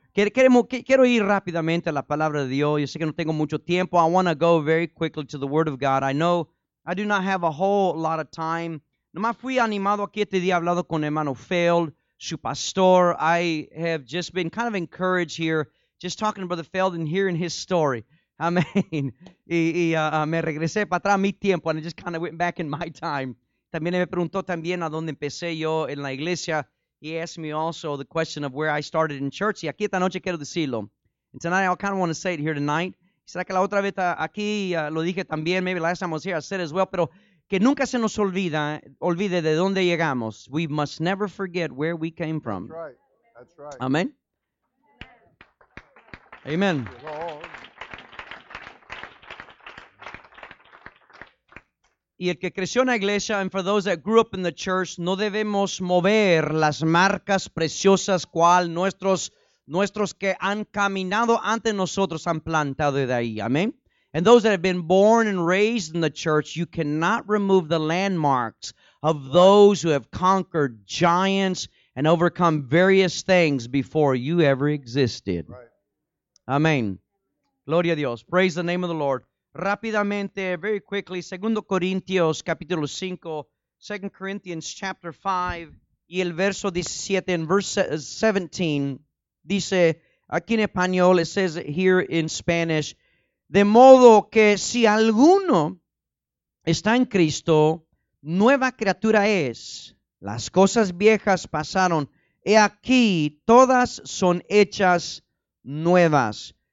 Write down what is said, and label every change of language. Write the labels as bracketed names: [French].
[Spanish] Quiero ir rápidamente a la palabra de Dios. Yo sé que no tengo mucho tiempo. [English] I want to go very quickly to the Word of God. I know I do not have a whole lot of time. [Spanish] Nomás fui animado aquí este día, hablado con hermano Feld, su pastor. [English] I have just been kind of encouraged here, just talking to Brother Feld and hearing his story. Amén. [Spanish] Me regresé para atrás mi tiempo, [English] and I just kind of went back in my time. [Spanish] También me preguntó también a dónde empecé yo en la iglesia. [English] He asked me also the question of where I started in church. [Spanish] Y aquí esta noche quiero decirlo. [English] And tonight, I kind of want to say it here tonight. [Spanish] Será que la otra vez aquí lo dije también. [English] Maybe last time I was here, I said as well. [Spanish] Pero que nunca se nos olvide de dónde llegamos. [English] We must never forget where we came from. That's right. Amen. Amen. [Spanish] Y el que creció en la iglesia, [English] and for those that grew up in the church, [Spanish] no debemos mover las marcas preciosas cual nuestros que han caminado ante nosotros han plantado de ahí. Amén. [English] And those that have been born and raised in the church, you cannot remove the landmarks of those who have conquered giants and overcome various things before you ever existed. Right. Amén. [Spanish] Gloria a Dios. [English] Praise the name of the Lord. [Spanish] Rápidamente, [English] very quickly, [Spanish] 2 Corintios capítulo 5, [English] 2 Corinthians chapter 5, [Spanish] y el verso 17, [English] and verse 17, [Spanish] dice, aquí en español, [English] it says here in Spanish, [Spanish] de modo que si alguno está en Cristo, nueva criatura es, las cosas viejas pasaron, y aquí todas son hechas nuevas.